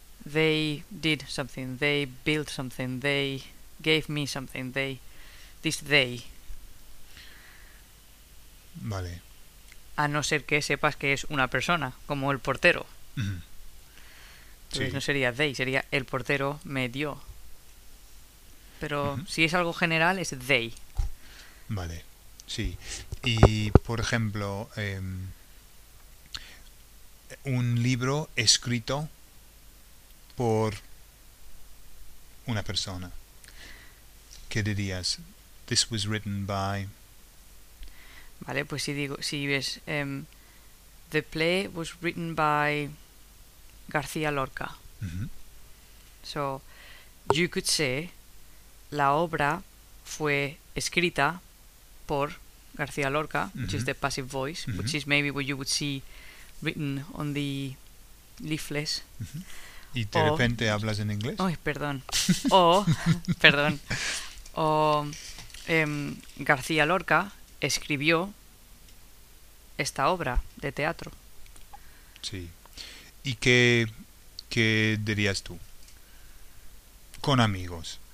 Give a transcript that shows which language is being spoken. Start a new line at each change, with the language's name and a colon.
English: They did something, they built something, they gave me something, they, this they.
Spanish: Vale. A no ser que sepas que es una persona, como el portero. Entonces no Sí. sería they, sería el portero me dio. Pero si es algo general es they. Vale, sí. Y, por ejemplo, un libro escrito por una persona. ¿Qué dirías?
English: This was written by.
Spanish: Vale, pues si ves,
English: "The play was written by García Lorca". So, you could say,
Spanish: la obra fue escrita por García Lorca,
English: which is the passive voice, which is maybe what you would see written on the leaflets.
Spanish: Y de O, repente hablas en inglés. ay, perdón. O, perdón. O, García Lorca escribió esta obra de teatro. Sí. ¿Y qué dirías tú? Con amigos.